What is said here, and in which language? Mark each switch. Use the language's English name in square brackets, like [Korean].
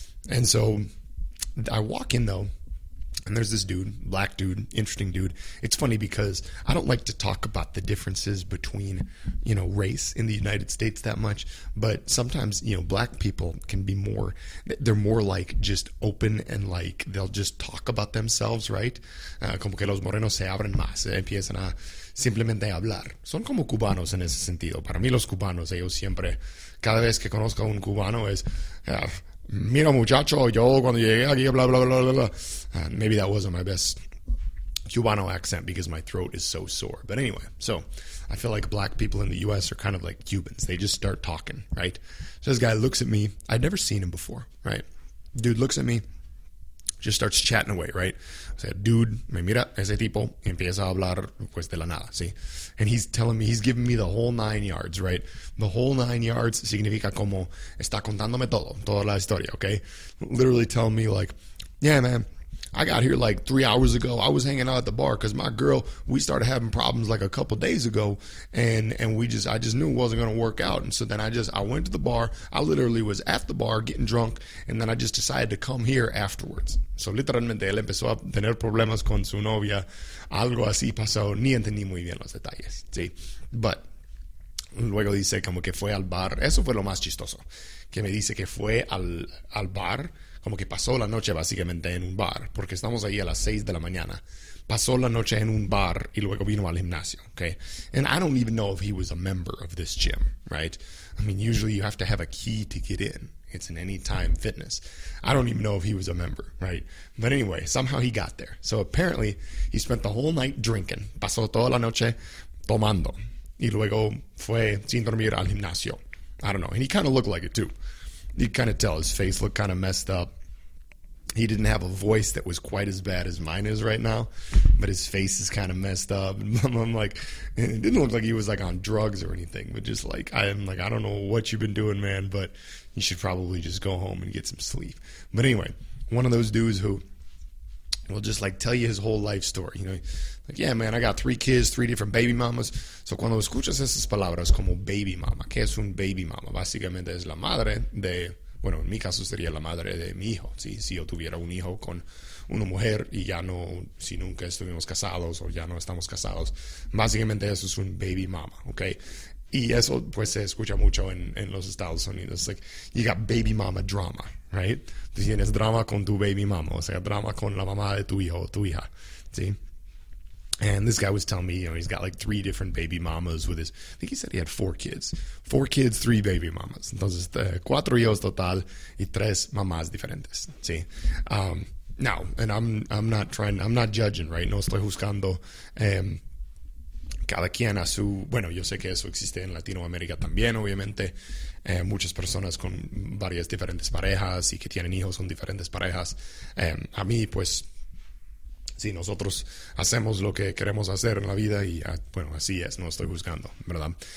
[English] And so I walk in, though, and there's this dude, black dude, interesting dude. It's funny because I don't like to talk about the differences between, you know, race in the United States that much, but sometimes, you know, black people can be more, they're more like just open and like they'll just talk about themselves, right? [Spanish] Como que los morenos se abren más, empiezan a simplemente hablar. Son como cubanos en ese sentido. Para mí los cubanos, ellos siempre, cada vez que conozco a un cubano es, mira muchacho, yo cuando llegué aquí, blah, blah, blah, blah, blah. [English] Maybe that wasn't my best Cubano accent because my throat is so sore. But anyway, so I feel like black people in the U.S. are kind of like Cubans. They just start talking, right? So this guy looks at me. I'd never seen him before, right? Dude looks at me. Just starts chatting away, right? I said, dude, [Spanish] me mira ese tipo, empieza a hablar pues de la nada, ¿sí? [English] And he's telling me, he's giving me the whole nine yards, right? The whole nine yards [Spanish] significa como está contándome todo, toda la historia, okay? [English] Literally telling me like, yeah, man, I got here like 3 hours ago. I was hanging out at the bar because my girl, we started having problems like a couple days ago, and I just knew it wasn't going to work out. And so then I went to the bar. I literally was at the bar getting drunk, and then I just decided to come here afterwards. [Spanish] So literalmente, él empezó a tener problemas con su novia. Algo así pasó. Ni entendí muy bien los detalles, ¿sí? But luego dice como que fue al bar. Eso fue lo más chistoso. Que me dice que fue al bar. Como que pasó la noche básicamente en un bar, porque estamos ahí a las 6 de la mañana. Pasó la noche en un bar y luego vino al gimnasio, okay? [English] And I don't even know if he was a member of this gym, right? I mean, usually you have to have a key to get in. It's an Anytime Fitness. I don't even know if he was a member, right? But anyway, somehow he got there. So apparently, he spent the whole night drinking. [Spanish] Pasó toda la noche tomando. Y luego fue sin dormir al gimnasio. [English] I don't know. And he kind of looked like it too. You kind of tell his face looked kind of messed up. He didn't have a voice that was quite as bad as mine is right now, but his face is kind of messed up. I'm like, it didn't look like he was like on drugs or anything, but just like, I'm like, I don't know what you've been doing, man, but you should probably just go home and get some sleep. But anyway, one of those dudes who will just like tell you his whole life story, you know, like, yeah, man, I got 3 kids, 3 different baby mamas. [Spanish] So cuando escuchas esas palabras como baby mama, ¿qué es un baby mama? Básicamente es la madre de bueno, en mi caso sería la madre de mi hijo, ¿sí? Si yo tuviera un hijo con una mujer y ya no, si nunca estuvimos casados o ya no estamos casados, básicamente eso es un baby mama, ¿ok? Y eso pues se escucha mucho en los Estados Unidos, [English] like, you got baby mama drama, right? [Spanish] Tú tienes drama con tu baby mama, o sea, drama con la mamá de tu hijo o tu hija, ¿sí? [English] And this guy was telling me, you know, he's got like three different baby mamas with his, I think he said he had four kids, three baby mamas. [Spanish] Entonces, cuatro hijos total y tres mamás diferentes, ¿sí? [English] Now, and I'm not judging, right? [Spanish] No estoy juzgando, cada quien a su, bueno, yo sé que eso existe en Latinoamérica también, obviamente, muchas personas con varias diferentes parejas y que tienen hijos con diferentes parejas, a mí, pues, sí, nosotros hacemos lo que queremos hacer en la vida y, bueno, así es, no estoy juzgando, ¿verdad?